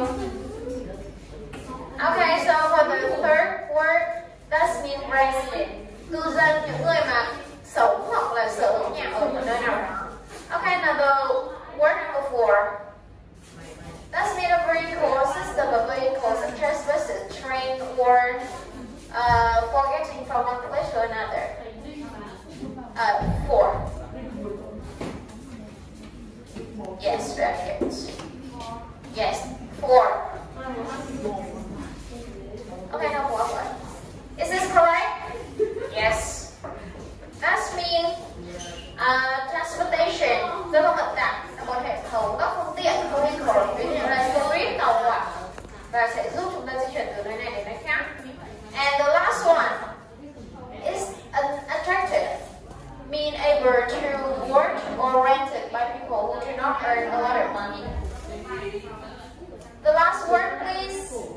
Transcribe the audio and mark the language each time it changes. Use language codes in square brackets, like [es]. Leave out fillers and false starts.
[en] Okay, so for the third word, that's mean resident. [vi] Cư dân, những người mà sống hoặc là sở hữu nhà ở một nơi nào đó. [en] Okay, now the word number four. That's mean a vehicle, system of vehicles such as buses, train, or for getting from one place to another. Four. Yes, right. Yes, four. Okay, now what one? Is this correct? Yes. That's mean transportation. [vi] Giao thông vận tải là một hệ thống các phương tiện, các phương tiện cơ động, ví dụ như là xe buýt, tàu hỏa và sẽ giúp chúng ta di chuyển từ nơi này đến nơi khác. [en] And the last one is an attractive, mean able to work or rented by people who do not earn a lot of money. The last word, please.